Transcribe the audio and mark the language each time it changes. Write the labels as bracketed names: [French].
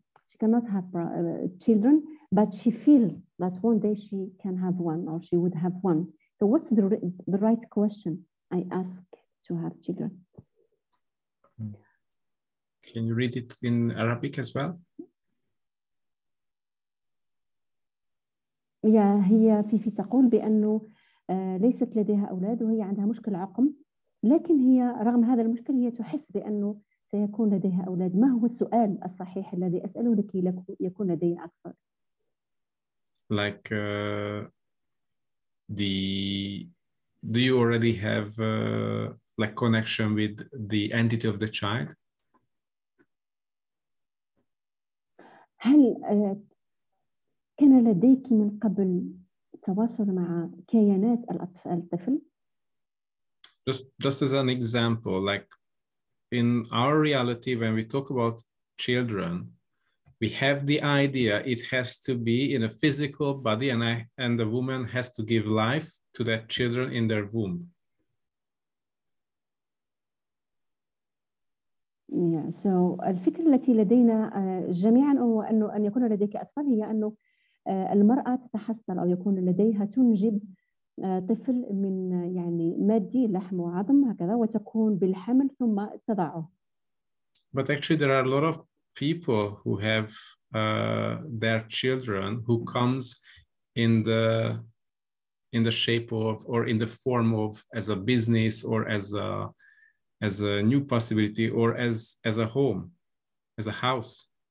[English] She cannot have children, but she feels that one day she can have one, or she would have one. So, what's the right question I ask to have children? Can you read it in Arabic as well? [Arabic] Yeah, هي فيفي تقول بأنه ليست لديها أولاد وهي عندها مشكل عقم، لكن هي رغم هذا المشكل هي تحس بأنه سيكون لديها أولاد. ما هو السؤال الصحيح الذي أسأله لكي يكون لديها أكثر؟ [English] Like the do you already have like connection with the entity of the child؟ [Arabic] هل كان لديك من قبل تواصل مع كيانات الطفل؟ [English] Just as an example, like in our reality, when we talk about children, we have the idea it has to be in a physical body, and the woman has to give life to that children in their womb. Yeah. [Arabic] So الفكرة التي لدينا جميعا هو أنه أن يكون لديك أطفال هي أنه المرأة تتحصل أو يكون لديها تنجب طفل من يعني مادي لحم وعظم هكذا وتكون بالحمل ثم تضعه. [English] But actually there are a lot of people who have their children who comes in the shape of or in the form of as a business or as a new possibility or as a home, as a house.